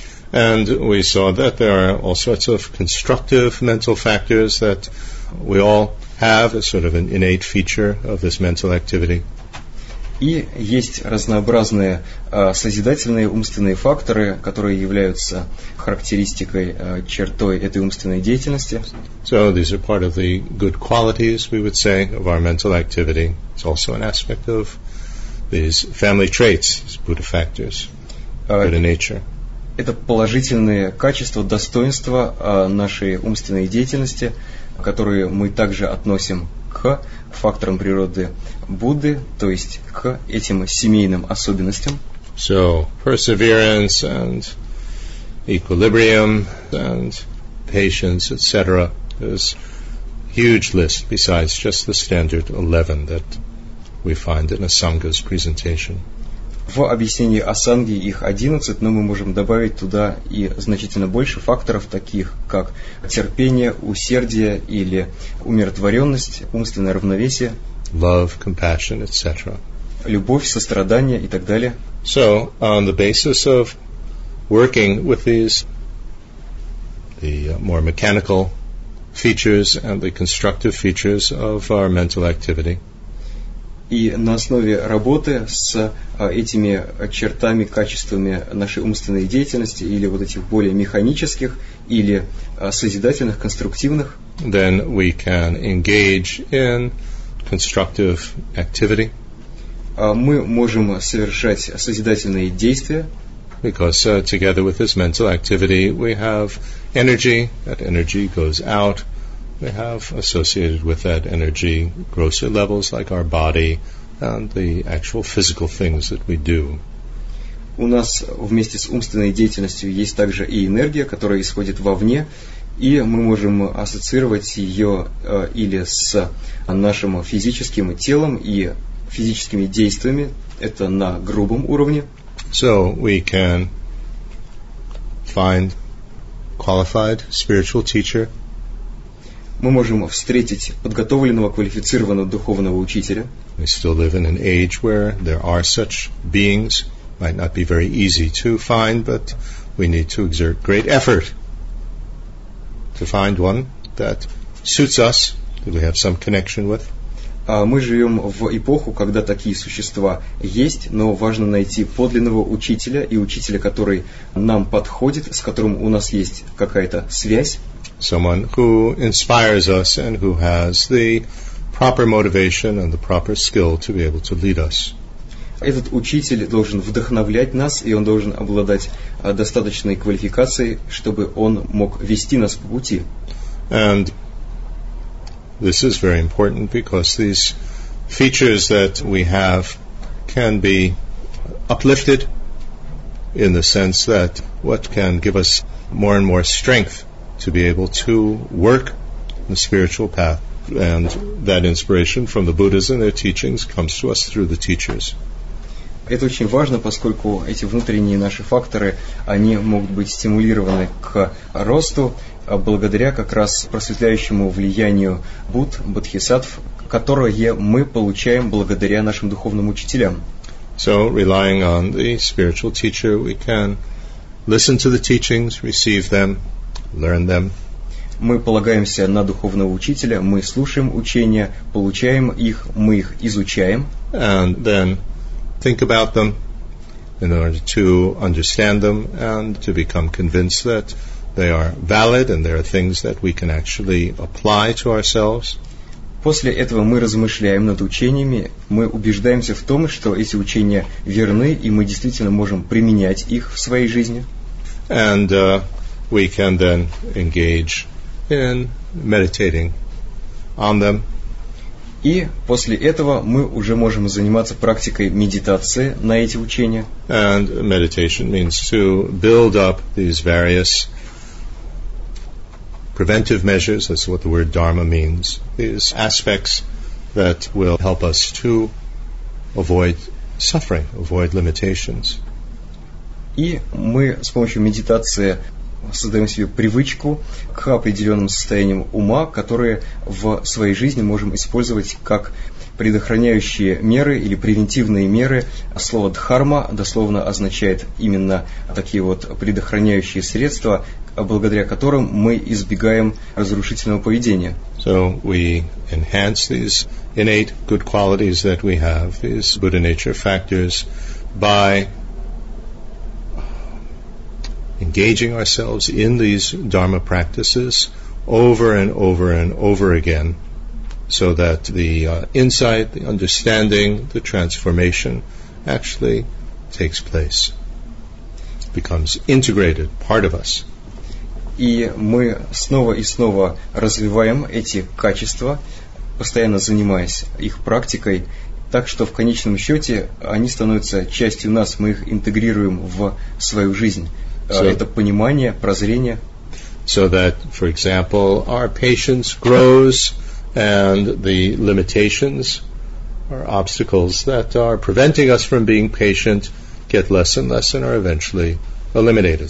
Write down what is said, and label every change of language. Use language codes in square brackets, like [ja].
[en] And we saw that there are all sorts of constructive mental factors that we all have as sort of an innate feature of this mental activity. [ru] И есть разнообразные созидательные умственные факторы, которые являются характеристикой, чертой этой умственной деятельности. [en] So these are part of the good qualities, we would say, of our mental activity. It's also an aspect of these family traits, these Buddha factors, Buddha nature. [ru] Это положительные качества, достоинства нашей умственной деятельности, которые мы также относим к факторам природы Будды, то есть к этим семейным особенностям. [en] So, perseverance and equilibrium and patience, etc. is a huge list besides just the standard 11 that we find in Asanga's presentation. [ru] В объяснении Асанги их 11, но мы можем добавить туда и значительно больше факторов, таких как терпение, усердие или умиротворенность, умственное равновесие, [en] love, compassion, etc. [ru] Любовь, сострадание и так далее. [en] So, on the basis of working with these the more mechanical features and the constructive features of our mental activity, [ru] и на основе работы с этими чертами, качествами нашей умственной деятельности или вот этих более механических или созидательных, конструктивных, [en] then we can engage in constructive activity. [ru] Мы можем совершать созидательные действия. [en] Because together with this mental activity we have energy. That energy goes out. We have associated with that energy grosser levels like our body and the actual physical things that we do. [ru] У нас вместе с умственной деятельностью есть также и энергия, которая исходит вовне, и мы можем ассоциировать ее или с нашим физическим телом и физическими действиями. Это на грубом уровне. [en] So we can find qualified spiritual teacher. [ru] Мы можем встретить подготовленного, квалифицированного духовного учителя. [en] We still live in an age where there are such beings. Might not be very easy to find, but we need to exert great effort to find one that suits us, that we have some connection with. [ru] Мы живем в эпоху, когда такие существа есть, но важно найти подлинного учителя и учителя, который нам подходит, с которым у нас есть какая-то связь. [en] Someone who inspires us and who has the proper motivation and the proper skill to be able to lead us. [ru] Этот учитель должен вдохновлять нас, и он должен обладать достаточной квалификацией, чтобы он мог вести нас по пути. [en] And this is very important because these features that we have can be uplifted in the sense that what can give us more and more strength to be able to work the spiritual path, and that inspiration from the Buddhas and their teachings comes to us through the teachers. [ru] Это очень важно, поскольку эти внутренние наши факторы, они могут быть стимулированы к росту благодаря как раз просветляющему влиянию Будд, Бодхисаттв, которое мы получаем благодаря нашим духовным учителям. [en] So, relying on the spiritual teacher, we can listen to the teachings, receive them, learn them. [ru] Мы полагаемся на духовного учителя, мы слушаем учения, получаем их, мы их изучаем. [en] And then think about them in order to understand them and to become convinced that they are valid and there are things that we can actually apply to ourselves. [ru] После этого мы размышляем над учениями, мы убеждаемся в том, что эти учения верны, и мы действительно можем применять их в своей жизни. [en] And we can then engage in meditating on them. [ru] И после этого мы уже можем заниматься практикой медитации на эти учения. [en] And meditation means to build up these various preventive measures, that's what the word dharma means, these aspects that will help us to avoid suffering, avoid limitations. [ru] И мы с помощью медитации создаем себе привычку к определенным состояниям ума, которые в своей жизни можем использовать как предохраняющие меры или превентивные меры. Слово «дхарма» дословно означает именно такие вот предохраняющие средства, благодаря которым мы избегаем разрушительного поведения. [en] So we enhance these innate good qualities that we have, these Buddha nature factors, by engaging ourselves in these dharma practices over and over and over again, so that the insight, the understanding, the transformation actually takes place, becomes integrated part of us. [ru] И мы снова и снова развиваем эти качества, постоянно занимаясь их практикой, так что в конечном счете они становятся частью нас, мы их интегрируем в свою жизнь. Это понимание, прозрение. [en] So that, for example, our patience grows and the limitations or obstacles that are preventing us from being patient get less and less and are eventually eliminated.